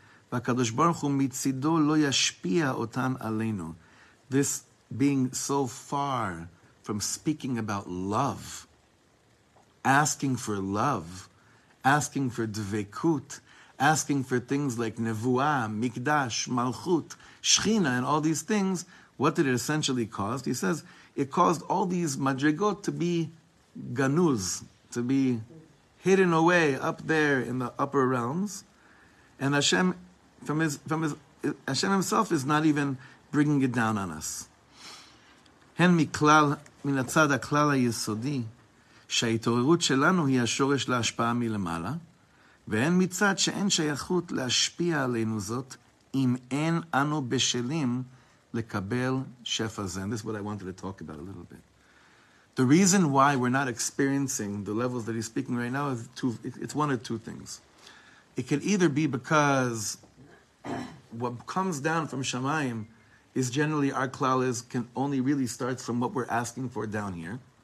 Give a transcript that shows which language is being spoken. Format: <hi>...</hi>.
<en>This being so far from speaking about love, asking for love, asking for dvekut, asking for things like nevuah, mikdash, malchut, shechina, and all these things, what did it essentially cause? He says, it caused all these madrigot to be ganuz, to be hidden away up there in the upper realms. And Hashem, Hashem himself is not even bringing it down on us.</en> <he>Hen miklal, מן הצד הכלל היסודי, שההתעוררות שלנו היא השורש להשפעה מלמעלה, ואין מצד שאין שייכות להשפיע עלינו זאת, אם אין אנו בשלים לקבל שפע זה.</he> <en>And this is what I wanted to talk about a little bit. The reason why we're not experiencing the levels that he's speaking right now, is it's one of two things. It could either be because what comes down from Shamayim is generally our klal is can only really start from what we're asking for down here.</en>